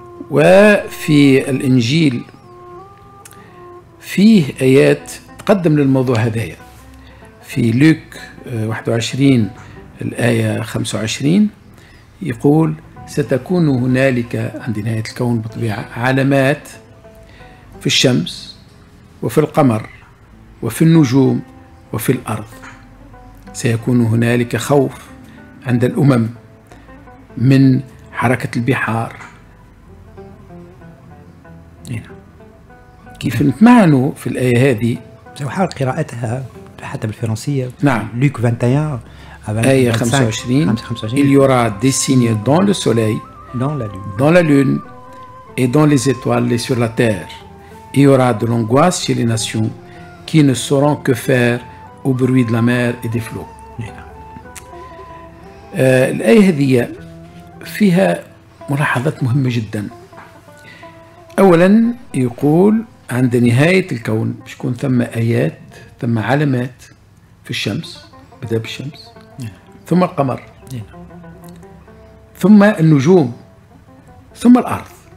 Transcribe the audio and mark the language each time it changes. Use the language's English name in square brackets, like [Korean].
[Arabic] وفي الإنجيل فيه آيات تقدم للموضوع هذايا، في لوك 21 الآية 25 يقول: ستكون هنالك عند نهاية الكون بطبيعة علامات في الشمس وفي القمر وفي النجوم وفي الأرض، سيكون هنالك خوف عند الأمم من حركة البحار. كيف نتمعنوا في الآية هذه؟ سأحاول قراءتها حتى بالفرنسية. نعم، لوك 21 آية 25 25 [French] il y aura des signes dans le soleil dans la lune. Dans la lune et dans les étoiles et sur la terre. Il y aura de l'angoisse chez les nations qui ne sauront que faire au bruit de la mer et des flots. [Arabic] الآية هذه فيها ملاحظات مهمة جدا. أولا يقول عند نهاية الكون مش يكون ثم آيات، ثم علامات في الشمس، بدأ بالشمس ثم القمر ثم النجوم ثم الأرض.